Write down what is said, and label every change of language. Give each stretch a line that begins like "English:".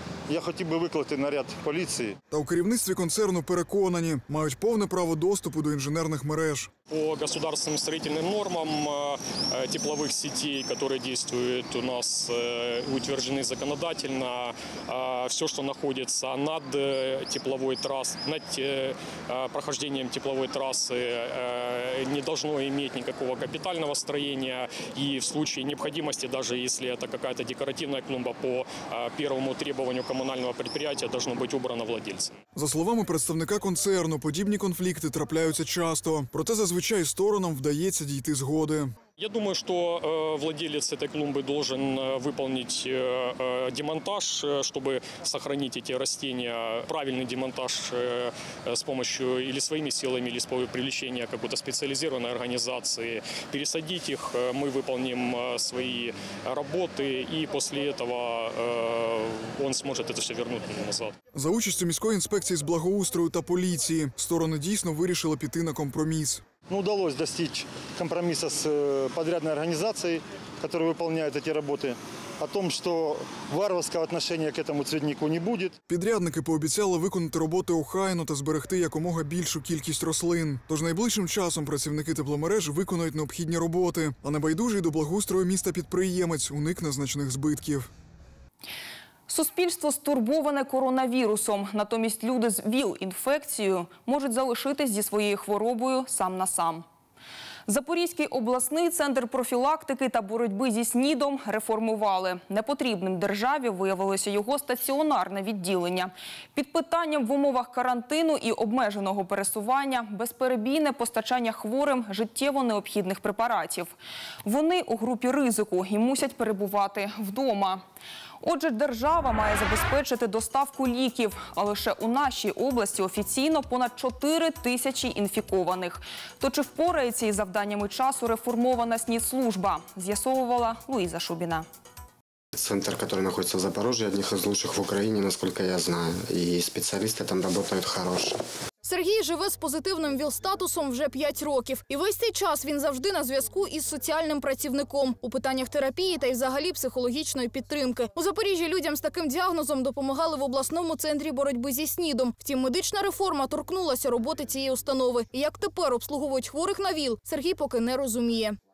Ukrainian: Я хотів би викликати наряд поліції. Та у керівництві концерну переконані, мають повне право доступу до інженерних мереж.
Russian: По государственным строительным нормам тепловых сетей, которые действуют у нас, утверждены законодательно, все, что находится над тепловой трассой, над прохождением тепловой трассы, не должно иметь никакого капитального строения. И в случае необходимости, даже если это какая-то декоративная клумба, по первому требованию коммунального предприятия должно быть убрано владельцем.
Ukrainian: За словами представника концерну, подобные конфликты трапляются часто. Проте, зазвичай, зазвичай сторонам вдається дійти згоди.
Russian: Я думаю, что владелец этой клумбы должен выполнить демонтаж, чтобы сохранить эти растения. Правильный демонтаж с помощью или своими силами, или с помощью привлечения какой-то специализированной организации. Пересадить их, мы выполним свои работы, и после этого он сможет это все вернуть назад.
Ukrainian: За участю міської інспекції з благоустрою та поліції сторони дійсно вирішили піти на компроміс.
Russian: Ну, удалось достичь компромисса с подрядной организацией, которая выполняет эти работы, о том, что варварского отношения к этому цветнику не будет.
Ukrainian: Підрядники пообіцяли виконати роботи охайно та зберегти якомога більшу кількість рослин. Тож найближчим часом працівники тепломереж виконають необхідні роботи, а небайдужий до благоустрою міста підприємець уникне значних збитків. Суспільство стурбоване коронавірусом. Натомість люди з ВІЛ-інфекцією можуть залишитись зі своєю хворобою сам на сам. Запорізький обласний центр профілактики та боротьби зі СНІДом реформували. Непотрібним державі виявилося його стаціонарне відділення. Під питанням в умовах карантину і обмеженого пересування – безперебійне постачання хворим життєво необхідних препаратів. Вони у групі ризику і мусять перебувати вдома. Отже, держава має забезпечити доставку ліків. А лише у нашій області офіційно понад 4 тисячі інфікованих. То чи впорається із завданнями часу реформована СНІД-служба? З'ясовувала Луїза Шубіна.
Russian: Центр, который находится в Запорожье, один из лучших в Украине, насколько я знаю. И специалисты там работают хорошие.
Ukrainian: Сергій живе з позитивним ВІЛ-статусом вже 5 років. І весь цей час він завжди на зв'язку із соціальним працівником у питаннях терапії та й взагалі психологічної підтримки. У Запоріжжі людям з таким діагнозом допомагали в обласному центрі боротьби зі СНІДом. Втім, медична реформа торкнулася роботи цієї установи. І як тепер обслуговують хворих на ВІЛ, Сергій поки не розуміє.